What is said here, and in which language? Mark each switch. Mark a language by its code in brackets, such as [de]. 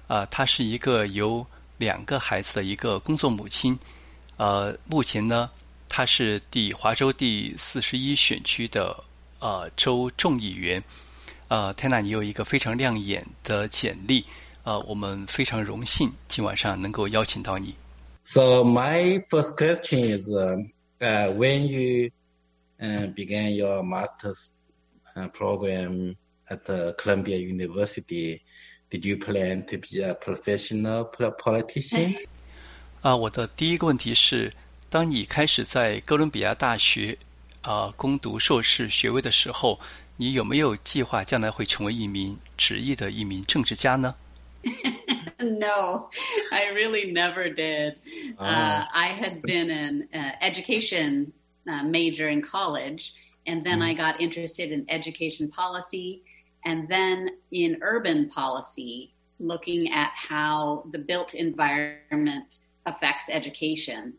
[zh] 他是一个有2个孩子的一个工作母亲。目前呢，他是华州第41选区的州众议员。 Tana， 你有一个非常亮眼的简历，我们非常荣幸今晚上能够邀请到你。 [en] So my first question is, when you began your master's program at Columbia University, did you plan to be a professional politician? [zh] 我的第一个问题是，当你开始在哥伦比亚大学攻读硕士学位的时候，你有没有计划将来会成为一名职业的一名政治家呢？ [en] No, I really never did. I had been an education major in college, and then I got interested in education policy, and then in urban policy, looking at how the built environment affects education.